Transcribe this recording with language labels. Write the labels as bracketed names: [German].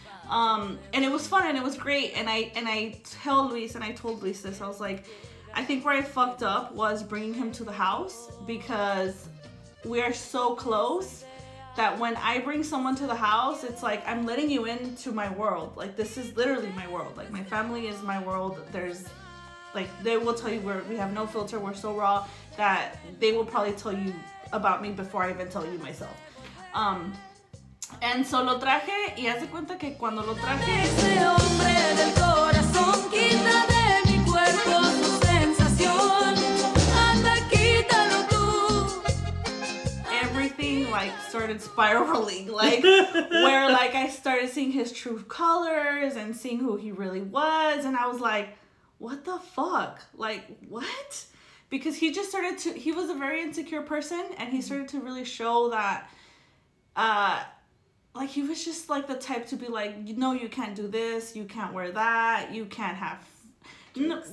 [English] And it was fun and it was great. And I told Luis this. I was like, I think where I fucked up was bringing him to the house because we are so close that when I bring someone to the house, it's like I'm letting you into my world. Like this is literally my world. Like my family is my world. There's like, they will tell you we have no filter, we're so raw that they will probably tell you about me before I even tell you myself. And so [Spanish] lo traje, y hace cuenta que cuando lo traje... Ese hombre del corazón, quita de mi cuerpo tu sensación. Anda, quítalo tú. [English] Everything, like, started spiraling, like, where, like, I started seeing his true colors and seeing who he really was, and I was like... What the fuck? Like, what? Because he was a very insecure person, and he started to really show that, like, he was just, like, the type to be like, no, you can't do this, you can't wear that, you can't have... No.